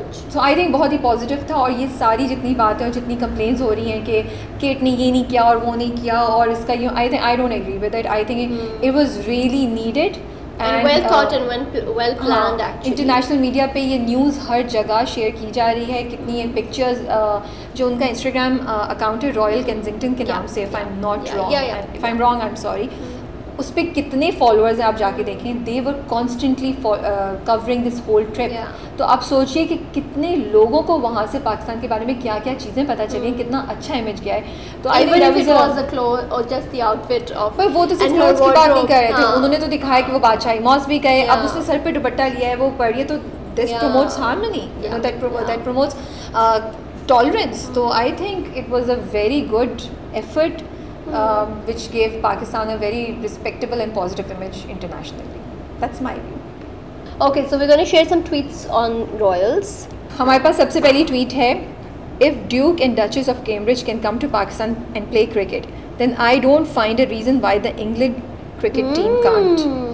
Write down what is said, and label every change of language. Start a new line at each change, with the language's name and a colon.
English: So I think
Urdu: بہت ہی positive تھا. اور یہ ساری جتنی باتیں اور جتنی کمپلینس ہو رہی ہیں کہ کیٹ نے یہ نہیں کیا اور وہ نہیں کیا اور اس کا,
English: I don't agree with it. I think it was really needed. And well thought and well planned actually. International media
Urdu: پہ یہ نیوز ہر جگہ شیئر کی جا رہی ہے, کتنی ہیں پکچرز جو ان کا انسٹاگرام اکاؤنٹ ہے رائل کینزنگٹن کے نام سے,
English: if I'm wrong, I'm sorry.
Urdu: اس پہ کتنے فالوورز ہیں آپ جا کے دیکھیں,
English: They were constantly covering this whole trip.
Urdu: تو آپ سوچیے کہ کتنے لوگوں کو وہاں سے پاکستان کے بارے میں کیا کیا چیزیں پتہ چلی ہیں, کتنا اچھا امیج گیا ہے.
English: تو I don't know if it was the cloth اور just the outfit of,
Urdu: وہ تو صرف کلوتھ کی بات نہیں کر رہے تھے, انہوں نے تو دکھایا کہ وہ بادشاہی ماس بھی گئے, اب اس نے سر پہ دوپٹہ لیا ہے, وہ پڑھیے تو
English: This promotes harmony, that promotes tolerance. تو I think it was a very good effort which gave Pakistan a very respectable and positive image internationally. That's my view. Okay, so we're going to share some tweets on royals.
Urdu: Hamare paas sabse pehli tweet hai,
English: if Duke and Duchess of Cambridge can come to Pakistan and play cricket, then I don't find a reason why the England cricket team can't.